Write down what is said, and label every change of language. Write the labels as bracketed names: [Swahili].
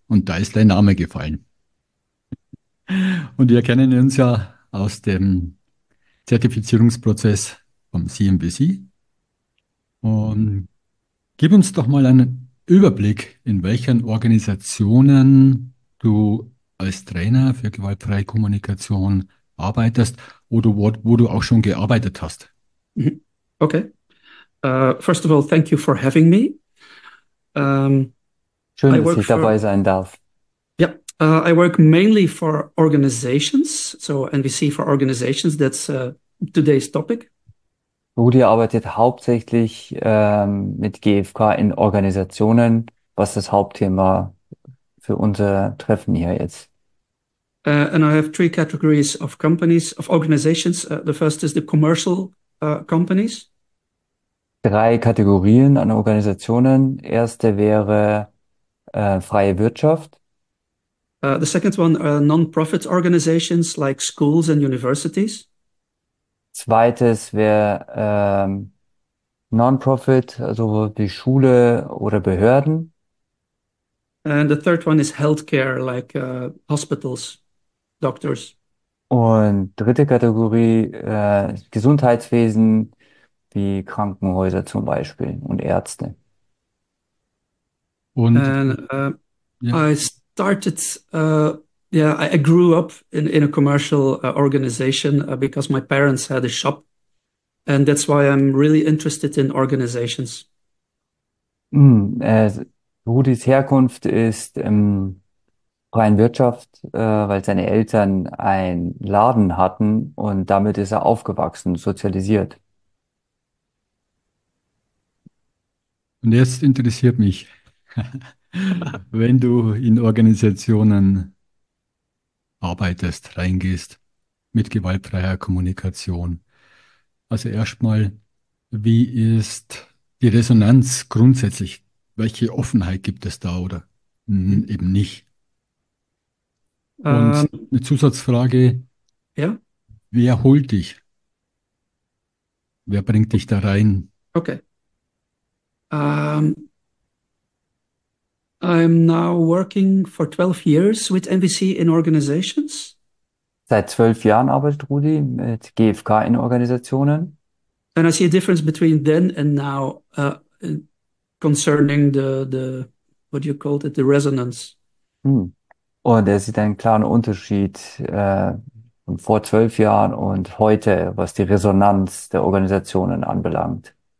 [German] Und da ist dein Name gefallen. Und wir kennen uns ja aus dem Zertifizierungsprozess vom CNBC. Und gib uns doch mal einen Überblick, in welchen Organisationen du als Trainer für gewaltfreie Kommunikation arbeitest oder wo du auch schon gearbeitet hast. Okay. [English] First of all, thank you for having me. [German] Schön, dass ich dabei sein darf. [English] Yeah, I work mainly for organizations. So NVC for organizations, that's today's topic. [German] Rudi arbeitet hauptsächlich mit GfK in Organisationen, was das Hauptthema für unser Treffen hier jetzt. [English] And I have three categories of companies, of organizations. The first is the commercial companies. [German] Drei Kategorien an Organisationen. Erste wäre freie Wirtschaft. [English] The second one are non-profit organizations like schools and universities. [German] Zweites wäre non-profit, also die Schule oder Behörden. [English] And the third one is healthcare like hospitals. Doctors. [German] Und dritte Kategorie, Gesundheitswesen, wie Krankenhäuser zum Beispiel und Ärzte. [English] Und I started, I grew up in a commercial organization because my parents had a shop. And that's why I'm really interested in organizations. [German] Rudis Herkunft ist freien Wirtschaft, weil seine Eltern einen Laden hatten und damit ist er aufgewachsen, sozialisiert. Und jetzt interessiert mich, wenn du in Organisationen arbeitest, reingehst mit gewaltfreier Kommunikation. Also erstmal, wie ist die Resonanz grundsätzlich? Welche Offenheit gibt es da oder eben nicht? Und eine Zusatzfrage, wer holt dich? Wer bringt dich da rein? Okay. [English] I'm now working for 12 years with NVC in organizations. [German] Seit 12 Jahren arbeitet Rudi mit GfK in Organisationen. [English] And I see a difference between then and now concerning the resonance. [German] Und er sieht einen klaren Unterschied von vor 12 Jahren und heute, was die Resonanz der Organisationen anbelangt.